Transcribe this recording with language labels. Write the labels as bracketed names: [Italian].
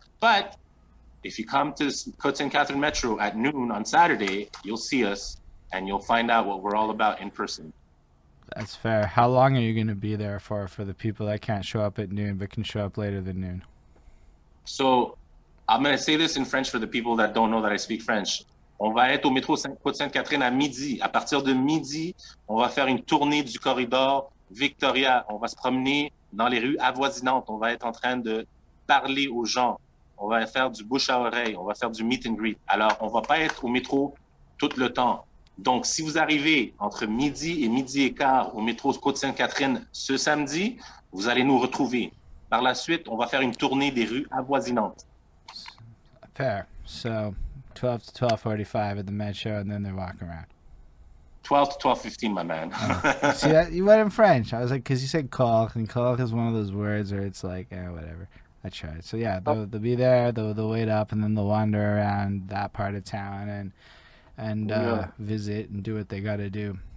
[English] But if you come to Côte Saint-Catherine Metro at noon on Saturday, you'll see us. And you'll find out what we're all about in person. That's fair. How long are you going to be there for the people that can't show up at noon but can show up later than noon? So I'm going to say this in French for the people that don't know that I speak French. [French] On va être au métro Côte-Sainte-Catherine à midi. À partir de midi, on va faire une tournée du corridor Victoria. On va se promener dans les rues avoisinantes. On va être en train de parler aux gens. On va faire du bouche à oreille. On va faire du [English] meet and greet. [French] Alors, on ne va pas être au métro tout le temps. Donc, si vous arrivez entre midi et midi et quart au métro Côte-Sainte-Catherine ce samedi, vous allez nous retrouver. Par la suite, on va faire une tournée des rues avoisinantes. [English] Fair. So 12 to 12:45 at the med show, and then they're walking around. 12 to 12:15, my man. Oh, see, you went in French. I was like, because you said call, and call is one of those words where it's like, eh, whatever. I tried. So yeah, they'll be there. They'll wait up, and then they'll wander around that part of town and visit and do what they gotta do.